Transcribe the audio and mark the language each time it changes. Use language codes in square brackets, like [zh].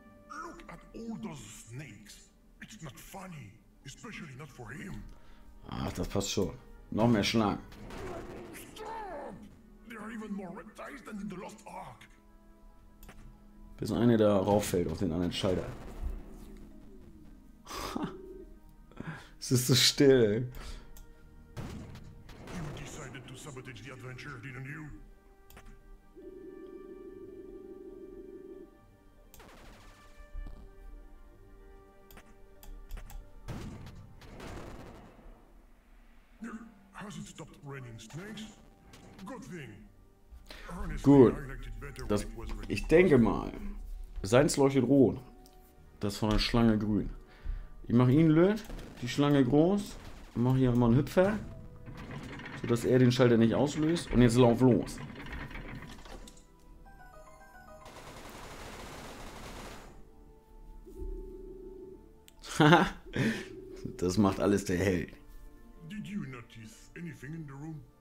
[en] Look at all those snakes. It's not funny, especially not for him. [de] Ach, das passt schon. Noch mehr Schlangen. [en] Stop! There are even more reptiles than in the Lost Ark. [de] Bis eine da rauffällt auf den anderen Schalter. Es ist so still. [en] You decided to sabotage the adventure, didn't you? Has it stopped raining snakes? Good thing. [de] Gut. Das, ich denke mal, seins leuchtet rot. Das von der Schlange grün. Ich mache ihn blöd, die Schlange groß. Mache hier mal einen Hüpfer. Sodass er den Schalter nicht auslöst. Und jetzt lauf los. Haha. Das macht alles der Held. [en] Did you notice anything in the room?